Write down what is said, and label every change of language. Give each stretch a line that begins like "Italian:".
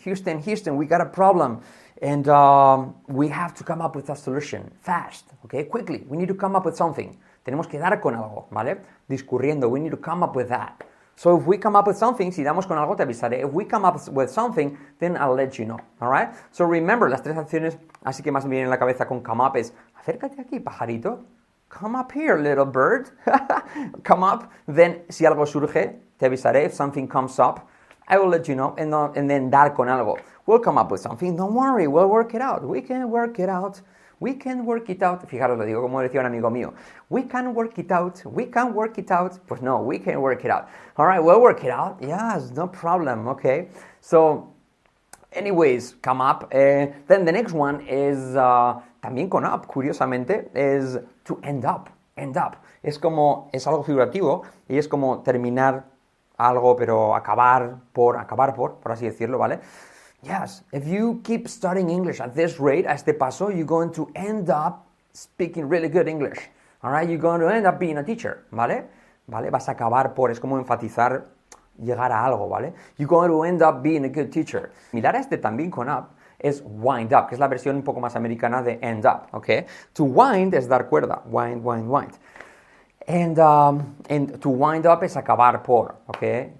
English: Houston, we got a problem. And we have to come up with a solution fast, okay? Quickly, we need to come up with something.
Spanish: Tenemos que dar con algo,
English: ¿vale?
Spanish: Discurriendo,
English: we need to come up with that. So if we come up with something,
Spanish: si damos con algo, te avisaré.
English: If we come up with something, then I'll let you know, all right?
Spanish: So remember, las tres acciones, así que más me vienen en la cabeza con
English: come up
Spanish: es, acércate aquí, pajarito.
English: Come up here, little bird. Come up. Then,
Spanish: si algo surge, te avisaré.
English: If something comes up, I will let you know. And then
Spanish: dar con algo.
English: We'll come up with something. Don't worry, we'll work it out. We can work it out. We can work it out.
Spanish: Fijaros, lo digo como decía un amigo mío.
English: We can work it out. We can work it out.
Spanish: Pues no,
English: we can work it out. All right, we'll work it out. Yes, no problem, okay? So, anyways, come up. Then the next one is,
Spanish: también con up, curiosamente,
English: is to end up. End up.
Spanish: Es como, es algo figurativo y es como terminar algo, pero acabar por así decirlo, ¿vale?
English: Yes, if you keep studying English at this rate,
Spanish: a este paso,
English: you're going to end up speaking really good English. All right, you're going to end up being a teacher, ¿vale? ¿Vale?
Spanish: Vas a acabar por, es como enfatizar, llegar a algo, ¿vale?
English: You're going to end up being a good teacher.
Spanish: Mirar a este también con up es wind up, que es la versión un poco más americana de end up, ¿ok? To wind es dar cuerda, wind.
English: And to wind up is
Spanish: acabar por,
English: okay?